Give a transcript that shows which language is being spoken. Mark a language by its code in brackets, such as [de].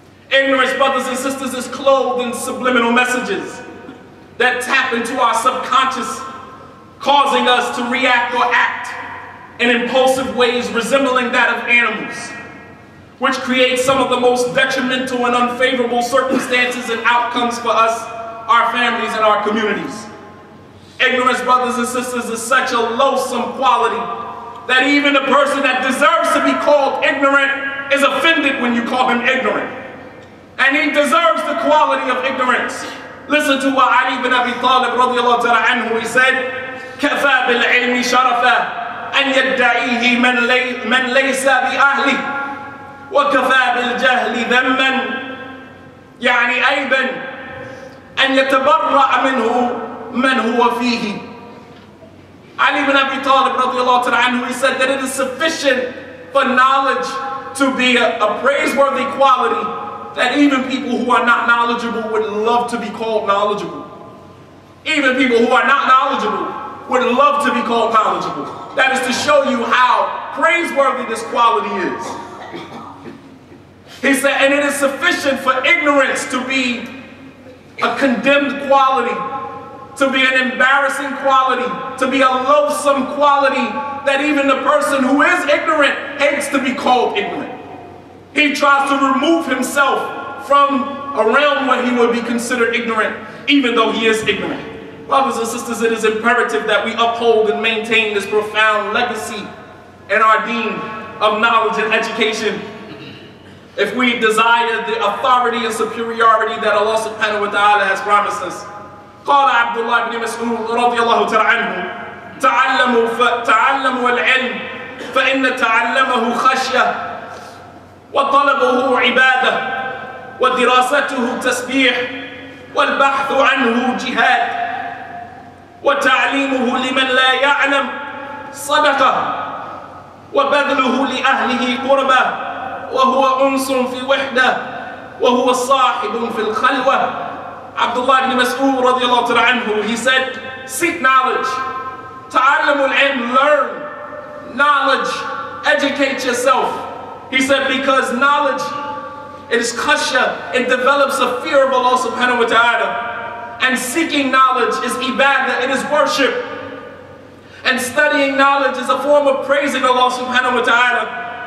[en] Ignorance, brothers and sisters, is clothed in subliminal messages that tap into our subconscious, causing us to react or act in impulsive ways resembling that of animals, which creates some of the most detrimental and unfavorable circumstances and outcomes for us, our families, and our communities. Ignorance, brothers and sisters, is such a loathsome quality that even a person that deserves to be called ignorant is offended when you call him ignorant. And he deserves the quality of ignorance. Listen to what Ali ibn Abi Talib radiallahu ta'ala anhu, he said, [ar] كَفَى بِالْعِلْمِ شَرَفَى أن يدعيه من ليس بأهلي وكفى بالجهل ذما يعني عيبا أن يتبرأ منه من هو فيه. [en] Ali ibn Abi Talib رضي الله تعالى عنه, he said that it is sufficient for knowledge to be a praiseworthy quality that even people who are not knowledgeable would love to be called knowledgeable. Even people who are not knowledgeable would love to be called knowledgeable. That is to show you how praiseworthy this quality is. He said, and it is sufficient for ignorance to be a condemned quality, to be an embarrassing quality, to be a loathsome quality that even the person who is ignorant hates to be called ignorant. He tries to remove himself from a realm where he would be considered ignorant, even though he is ignorant. Brothers and sisters, it is imperative that we uphold and maintain this profound legacy in our deen of knowledge and education. If we desire the authority and superiority that Allah subhanahu wa ta'ala has promised us. [ar] قال عبد الله بن مسعود رضي الله تعالى عنه تعلموا العلم فإن تعلمه خشية وطلبه عبادة ودراسته تسبيح والبحث عنه جهاد وتعليمه لمن لا يعلم صدقة وبذله لأهله قربة وهو أنس في وحدة وهو صاحب في الخلوة. [en] Abdullah ibn Mas'ud radiallahu ta'ala anhu, he said, seek knowledge. [ar] Ta'allamu al-'ilm, [en] learn knowledge, educate yourself. He said, because knowledge, it is khashya, it develops a fear of Allah subhanahu wa ta'ala. And seeking knowledge is ibadah, it is worship. And studying knowledge is a form of praising Allah subhanahu wa ta'ala.